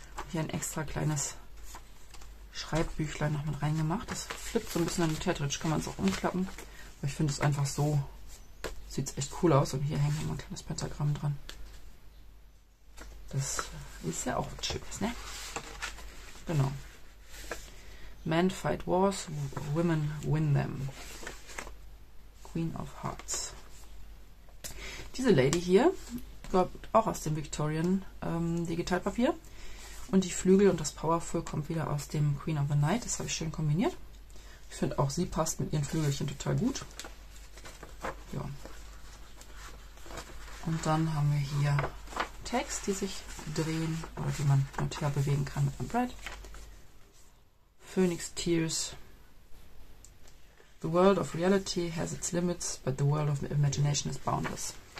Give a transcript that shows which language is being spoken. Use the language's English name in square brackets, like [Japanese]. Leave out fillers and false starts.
[German] Hier ein extra kleines Schreibbüchlein noch mit reingemacht. Das flippt so ein bisschen an den Tetrich, kann man es auch umklappen. Aber ich finde es einfach so, sieht es echt cool aus. Und hier hängt immer ein kleines Pentagramm dran. Das ist ja auch was Schönes, ne? Genau. [English] Men fight wars, women win them. Queen of Hearts. [German] Diese Lady hier, glaubt auch aus dem Victorian Digitalpapier. Und die Flügel und das Powerful kommt wieder aus dem Queen of the Night. Das habe ich schön kombiniert. Ich finde auch, sie passt mit ihren Flügelchen total gut. Ja. Und dann haben wir hier Tags, die sich drehen oder die man hin und her bewegen kann mit einem Brett. [English] Phoenix Tears. The world of reality has its limits, but the world of imagination is boundless.